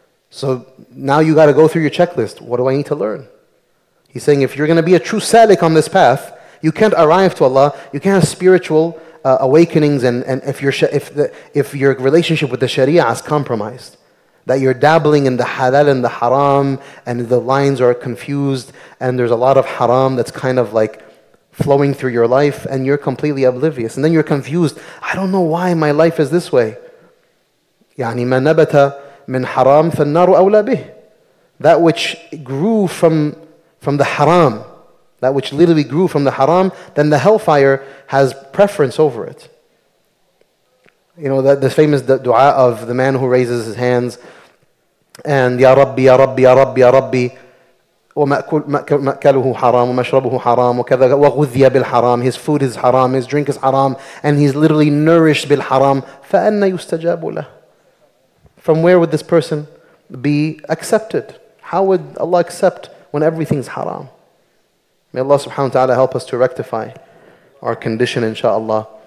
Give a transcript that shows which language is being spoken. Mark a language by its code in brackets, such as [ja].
[en] So now you got to go through your checklist. What do I need to learn? He's saying if you're going to be a true salik on this path, you can't arrive to Allah, you can't have spiritual awakenings and if your relationship with the sharia is compromised. That you're dabbling in the halal and the haram, and the lines are confused, and there's a lot of haram that's kind of like flowing through your life, and you're completely oblivious. And then you're confused. I don't know why my life is this way. [ar] يعني ما نبت من حرام فالنار أولى به. [en] That which grew from the haram, that which literally grew from the haram, then the hellfire has preference over it. You know, that the famous dua of the man who raises his hands and Ya Rabbi, Ya Rabbi, Ya Rabbi, Ya Rabbi. [ar] ومأكله حرام ومشربه حرام وكذا وغذي بالحرام. [en] His food is haram, his drink is haram, and he's literally nourished [ar] بالحرام. فأنا يستجاب له. [en] From where would this person be accepted? How would Allah accept when everything's haram? May Allah subhanahu wa ta'ala help us to rectify our condition, inshaAllah.